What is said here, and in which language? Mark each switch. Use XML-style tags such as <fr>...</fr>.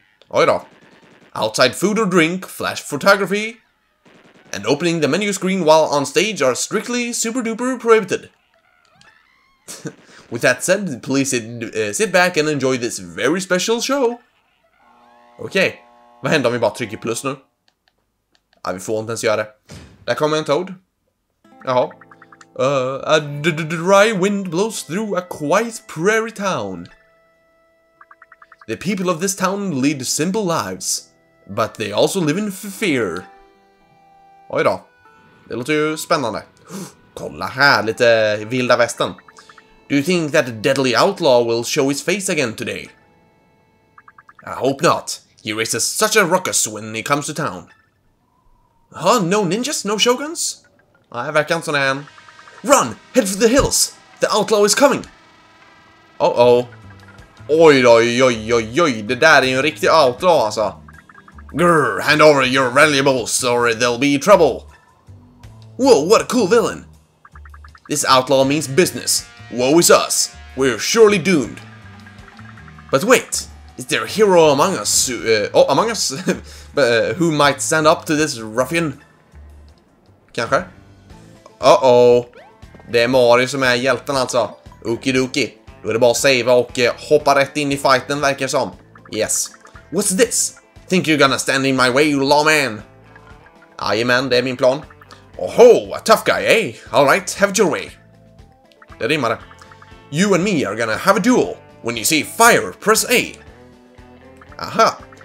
<sv>Oj då.</sv> <en>Outside food or drink, flash photography, and opening the menu screen while on stage are strictly super duper prohibited. With that said, please sit back and enjoy this very special show.</en> <sv>Okej, vad händer om vi bara trycker plus nu? Ja, vi får inte ens göra det. Där kommer en toad. Jaha.</sv> <en>A dry wind blows through a quiet prairie town. The people of this town lead simple lives, but they also live in fear.</en> <sv>Oj då. Det låter ju spännande. Kolla här, lite vilda västern.</sv> <en>Do you think that a deadly outlaw will show his face again today? I hope not. He raises such a ruckus when he comes to town. Huh? No ninjas? No shoguns?</en> <sv>Nej, verkar inte sån här.</sv> <en>Run! Head for the hills! The outlaw is coming!</en> <sv>Uh-oh. Oj då, oj. Det där är ju en riktig outlaw, alltså.</sv> <en>Grr, hand over your valuables or there'll be trouble. Whoa, what a cool villain. This outlaw means business. Woe is us. We're surely doomed. But wait, is there a hero among us who, among us? who might stand up to this ruffian?</en> <sv>Kanske? Uh-oh. Det är Mario som är hjälten alltså. Okidoki. Då är det bara att savea och hoppa rätt in i fighten, verkar som.</sv> <en>Yes. What's this? Think you're gonna stand in my way, you lawman?</en> <sv>Jajamän, det är min plan.</sv> <en>Oho, a tough guy, eh? Alright, have it your way.</en> <sv>Det rimmade.</sv> <en>You and me are gonna have a duel. When you see fire, press A. Aha.</en>